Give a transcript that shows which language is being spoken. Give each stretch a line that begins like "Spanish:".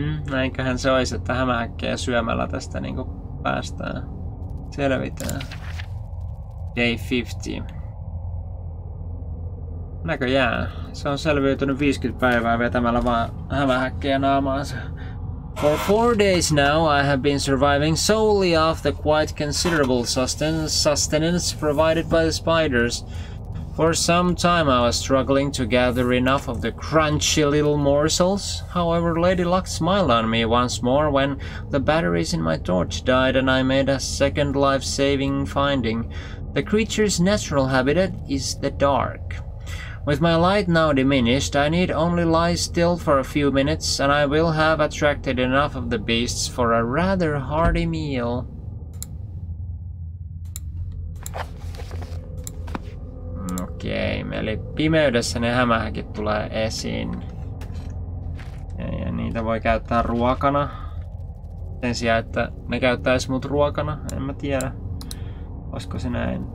Finnish: Näinköhän se olisi, että hämähäkkejä syömällä tästä niinku päästään selvitään.
English: Day 50.
Finnish: Näköjään. Se on selviytynyt 50 päivää vetämällä vaan hämähäkkejä naamaansa.
English: For 4 days now, I have been surviving solely off the quite considerable sustenance provided by the spiders. For some time, I was struggling to gather enough of the crunchy little morsels. However, Lady Luck smiled on me once more when the batteries in my torch died and I made a second life-saving finding. The creature's natural habitat is the dark. With my light now diminished, I need only lie still for a few minutes, and I will have attracted enough of the beasts for a rather hearty meal.
Finnish: Okei, eli pimeydessä ne hämähäkit tulee esiin. Ja niitä voi käyttää ruokana. Sen sijaan, että ne käyttäis mut ruokana, en mä tiedä. Olisiko se näin?